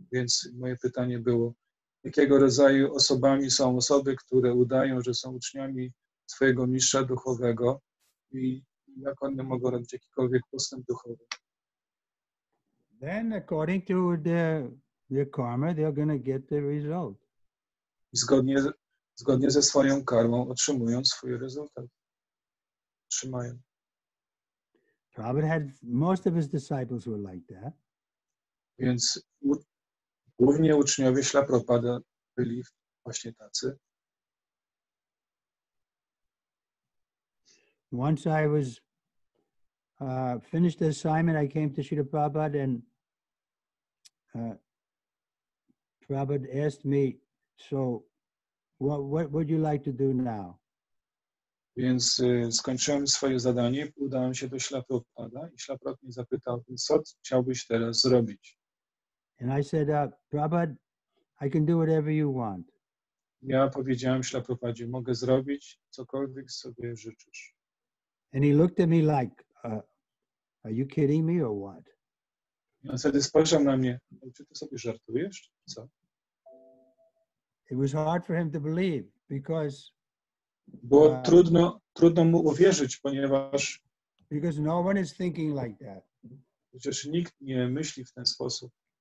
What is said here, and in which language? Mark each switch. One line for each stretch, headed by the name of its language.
Polish: Więc moje pytanie było, jakiego rodzaju osobami są osoby, które udają, że są uczniami swojego mistrza duchowego i jak one mogą robić jakikolwiek postęp duchowy?
English: Then according to the karma, they're going to get the result.
Polish: Zgodnie ze swoją karmą otrzymują swój rezultat. Otrzymają.
English: Prabhupada had most of his disciples were like that.
Polish: Więc głównie uczniowie śla Prabhupada byli właśnie tacy.
English: Once I was finished the assignment, I came to Srila Prabhupada and Prabhupada asked me, so what would you like to do now?
Polish: Więc skończyłem swoje zadanie, udałem się do Śla Prabhupada i Śla Prabhupada mnie zapytał, co chciałbyś teraz zrobić?
English: And I said, Prabhupada, I can do whatever you want.
Polish: Ja powiedziałem Śla Prabhupadzie, mogę zrobić cokolwiek sobie życzysz.
English: And he looked at me like, are you kidding me or what?
Polish: I on wtedy spojrzał na mnie, czy ty sobie żartujesz, czy co?
English: It was hard for him to believe because
Polish: było trudno mu uwierzyć, ponieważ
English: because no one is thinking like that.
Polish: Przecież nikt nie myśli w ten sposób.